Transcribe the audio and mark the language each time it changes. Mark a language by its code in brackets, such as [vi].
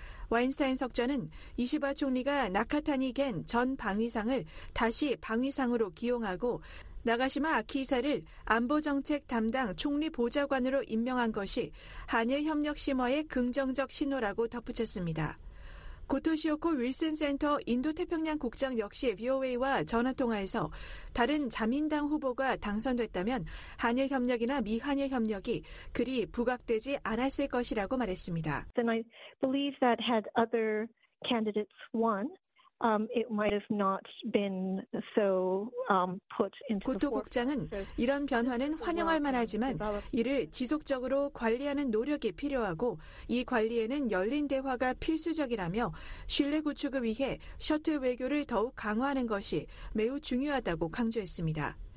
[ko] 와인스타인 석좌는 이시바 총리가 나카타니 겐 전 방위상을 다시 방위상으로 기용하고 나가시마 아키이사를 안보정책 담당 총리 보좌관으로 임명한 것이 한일 협력 심화의 긍정적 신호라고 덧붙였습니다. 고토시오코 윌슨 센터 인도태평양 국장 역시 VOA와 전화통화에서 다른 자민당 후보가 당선됐다면 한일 협력이나 미한일 협력이 그리 부각되지 않았을 것이라고 말했습니다. [en] Then I believe that had other candidates won. It might have not been so put into. [ko] 고토 국장은 이런 변화는 환영할 만하지만 이를 지속적으로 관리하는 노력이 필요하고 이 관리에는 열린 대화가 필수적이라며 신뢰 구축을 위해 셔틀 외교를 더욱 강화하는 것이 매우 중요하다고 강조했습니다.